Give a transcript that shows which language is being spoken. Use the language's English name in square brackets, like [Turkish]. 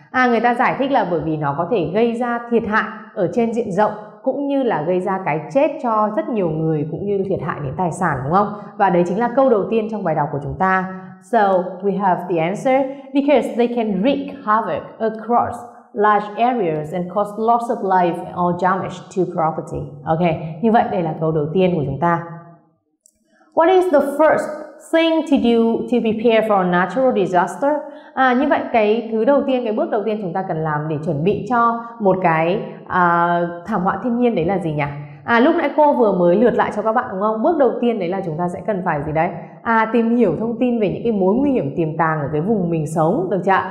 [Vietnamese] Người ta giải thích là bởi vì nó có thể gây ra thiệt hại ở trên diện rộng cũng như là gây ra cái chết cho rất nhiều người cũng như thiệt hại đến tài sản đúng không? Và đấy chính là câu đầu tiên trong bài đọc của chúng ta. [English] So we have the answer, because they can wreak havoc across large areas and cause loss of life or damage to property. [Vietnamese] Ok, như vậy đây là câu đầu tiên của chúng ta. [English] What is the first thing to do to prepare for a natural disaster? [Vietnamese] Như vậy cái bước đầu tiên chúng ta cần làm để chuẩn bị cho một cái thảm họa thiên nhiên đấy là gì nhỉ? Lúc nãy cô vừa mới lượt lại cho các bạn đúng không? Bước đầu tiên đấy là chúng ta sẽ cần phải gì đấy? Tìm hiểu thông tin về những cái mối nguy hiểm tiềm tàng ở cái vùng mình sống, được chưa?